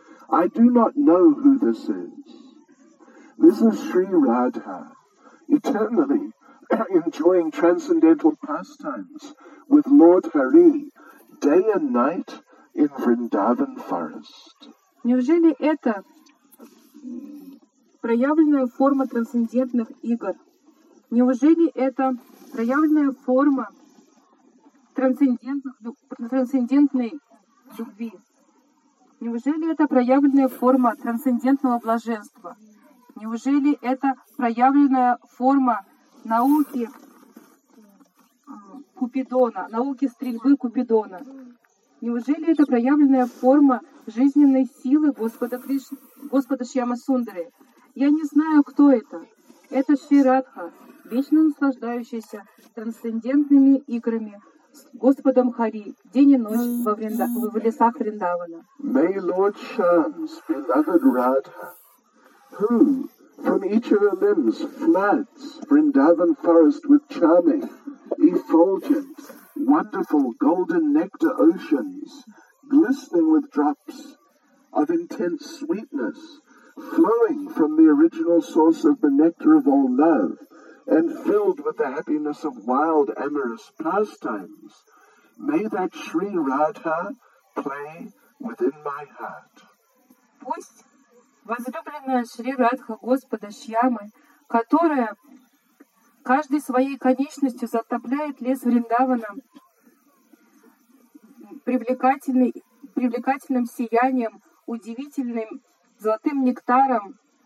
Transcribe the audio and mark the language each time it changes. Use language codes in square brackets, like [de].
[en] I do not know who this is. This is Sri Radha, eternally enjoying transcendental pastimes with Lord Hari, day and night in Vrindavan forest. [ru] Неужели это проявленная форма трансцендентных игр? Неужели это проявленная форма трансцендентной любви? Неужели это проявленная форма трансцендентного блаженства? Неужели это проявленная форма науки Купидона, науки стрельбы Купидона? Неужели это проявленная форма жизненной силы Господа Кришны? Господа Шьямасундары, я не знаю, кто это. Это Шри Радха, вечно наслаждающаяся трансцендентными играми с Господом Хари день и ночь в лесах Вриндавана. [en] May Lord Shams, beloved Radha, who from each of her limbs floods Vrindavan forest with charming, effulgent, wonderful golden nectar oceans, glistening with drops of intense sweetness flowing from the original source of the nectar of all love and filled with the happiness of wild amorous pastimes, may that Sri Radha play within my heart. [ru] Пусть возлюбленная Шри Радха Господа Шьямы, которая каждой своей конечностью затопляет лес Вриндавана привлекательным сиянием, удивительным золотым нектаром,